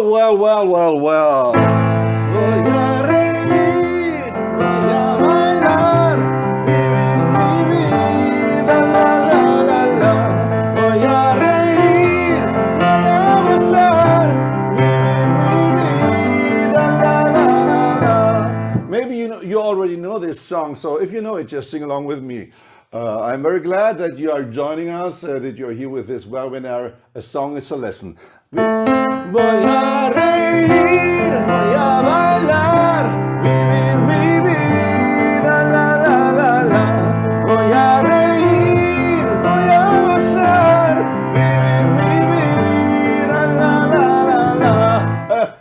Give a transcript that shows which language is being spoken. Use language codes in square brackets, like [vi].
[es] Voy a reír, voy a bailar, vivir mi vida, la la la la. Voy a reír, voy a abrazar, vivir mi vida, la la la la. [en] Maybe you already know this song, so if you know it, just sing along with me. I'm very glad that you are joining us, that you're here with this webinar, A Song is a Lesson. [es] Voy a reír, voy a bailar, vivir mi vida, la la la la. Voy a reír, voy a gozar, vivir mi vida, la la la la.